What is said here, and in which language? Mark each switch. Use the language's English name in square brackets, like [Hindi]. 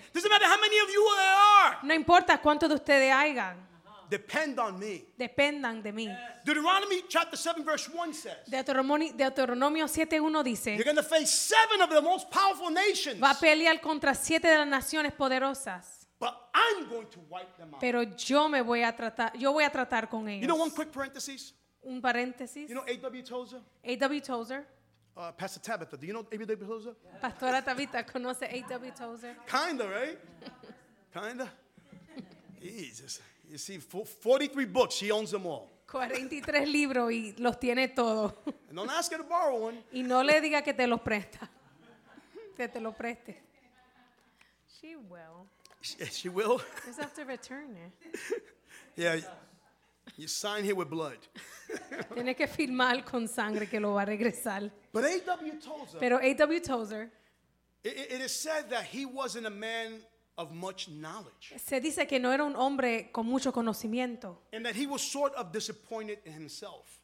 [English] Doesn't matter how many of you there are. [Spanish] No importa cuántos de ustedes hayan. [English] Depend on me. [Spanish] Dependan de mí. [English] Deuteronomy chapter 7 verse 1 says. [Spanish] Deuteronomio 7:1 dice. [English] You're going to face 7 of the most powerful nations. [Spanish] Va a pelear contra 7 de las naciones poderosas. [English] But I'm going to wipe them out. [Spanish] Pero yo voy a tratar con ellos. [English] You know one quick parenthesis? [Spanish] Un paréntesis. [English] You know A.W. Tozer? [Spanish] A.W. Tozer? [English] Pastor Tabitha, do you know A.W. Tozer? [Spanish] Pastora Tabitha, ¿conoce A.W. Tozer? [English] Kinda, right? Kinda. Jesus. You see, 43 books, she owns them all. [Spanish] 43 libros y los tiene todos. [English] And don't ask her to borrow one. [Spanish] Y no le diga que te los presta. Que te los preste. [English] She will. She will. Just have to return it. Yeah. You sign here with blood. [Spanish] Tiene que firmar con sangre que lo va a regresar. [English] But A.W. Tozer. [Spanish] Pero A.W. Tozer. [English] It is said that he wasn't a man of much knowledge. [Spanish] Se dice que no era un hombre con mucho conocimiento. [English] And that he was sort of disappointed in himself.